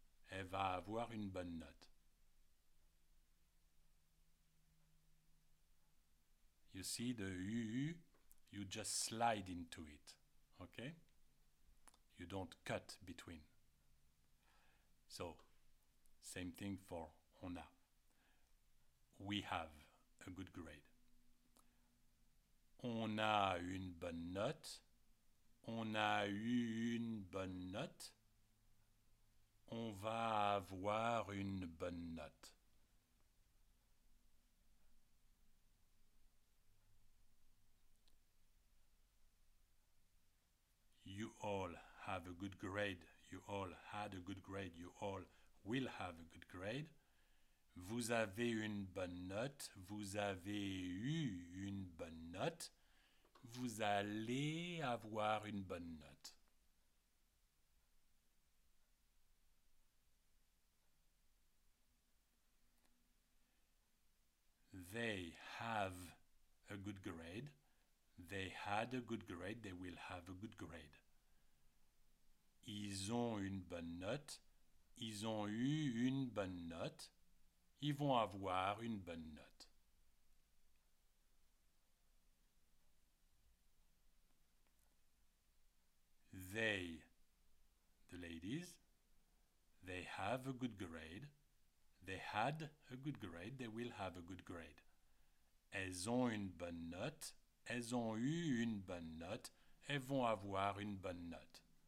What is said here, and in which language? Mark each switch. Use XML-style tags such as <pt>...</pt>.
<fr>Elle va avoir une bonne note.</fr> <en>You see the UU, you just slide into it. Okay? You don't cut between. So, same thing for on a. We have a good grade.</en> <fr>On a une bonne note. On a eu une bonne note. On va avoir une bonne note.</fr> <en>You all have a good grade. You all had a good grade. You all will have a good grade.</en> <fr>Vous avez une bonne note. Vous avez eu une bonne note. Vous allez avoir une bonne note.</fr> <en>They have a good grade. They had a good grade. They will have a good grade.</en> <fr>Ils ont une bonne note. Ils ont eu une bonne note. Ils vont avoir une bonne note.</fr> <en>They, the ladies, they have a good grade. They had a good grade. They will have a good grade.</en> <fr>Elles ont une bonne note. Elles ont eu une bonne note. Elles vont avoir une bonne note.</fr>